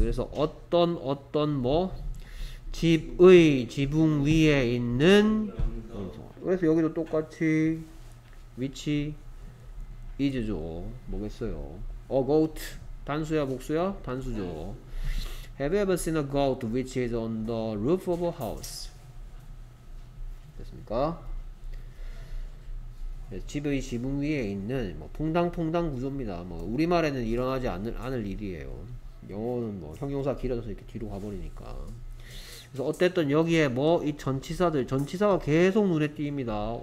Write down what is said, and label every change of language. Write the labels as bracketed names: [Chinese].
[Korean] 그래서 어떤 뭐 집의 지붕 위에 있는. 그래서 여기도 똑같이 위치 is죠. 뭐겠어요? a goat 단수야 복수야? 단수죠. [English] Have you ever seen a goat which is on the roof of a house? [Korean] 됐습니까? 집의 지붕 위에 있는 뭐 퐁당퐁당 구조입니다. 뭐 우리말에는 일어나지 않을 일이에요. 영어는 뭐 형용사 길어져서 이렇게 뒤로 가버리니까. 그래서 어쨌든 여기에 뭐 이 전치사들 전치사가 계속 눈에 띕니다.